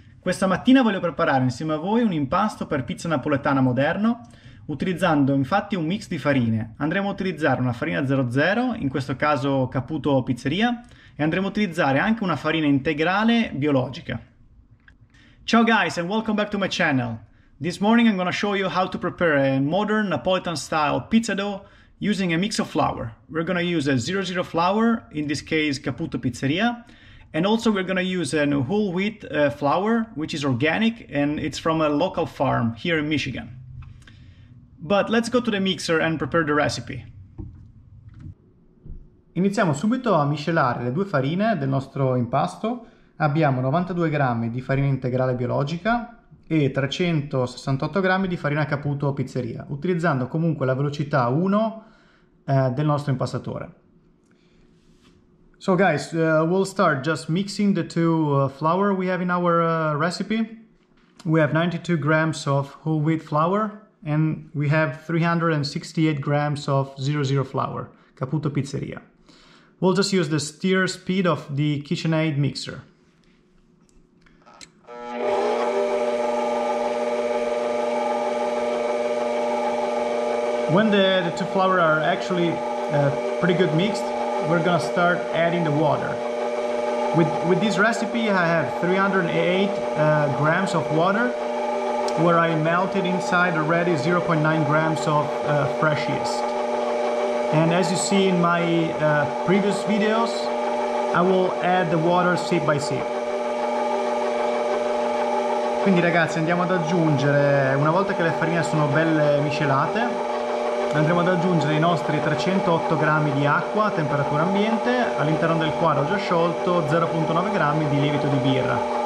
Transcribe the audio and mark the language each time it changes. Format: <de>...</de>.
<it>Questa mattina voglio preparare insieme a voi un impasto per pizza napoletana moderno, utilizzando infatti un mix di farine. Andremo a utilizzare una farina 00, in questo caso Caputo Pizzeria, e andremo a utilizzare anche una farina integrale biologica.</it> <en>Ciao guys and welcome back to my channel. This morning I'm gonna show you how to prepare a modern Napolitan style pizza dough using a mix of flour. We're gonna use a 00 flour, in this case Caputo Pizzeria. And also we're gonna use a whole wheat flour, which is organic and it's from a local farm here in Michigan. But let's go to the mixer and prepare the recipe.</en> <it>Iniziamo subito a miscelare le due farine del nostro impasto. Abbiamo 92 g di farina integrale biologica e 368 g di farina Caputo Pizzeria, utilizzando comunque la velocità 1 del nostro impastatore.</it> <en>So guys, we'll start just mixing the two flour we have in our recipe. We have 92 grams of whole wheat flour and we have 368 grams of 00 flour, Caputo Pizzeria. We'll just use the stir speed of the KitchenAid mixer. When the two flour are actually pretty good mixed, we're gonna start adding the water. With this recipe, I have 308 grams of water, where I melted inside already 0.9 grams of fresh yeast. And as you see in my previous videos, I will add the water sip by sip.</en> <it>Quindi ragazzi, andiamo ad aggiungere, una volta che le farine sono belle miscelate, andremo ad aggiungere i nostri 308 g di acqua a temperatura ambiente, all'interno del quale ho già sciolto 0,9 g di lievito di birra.</it>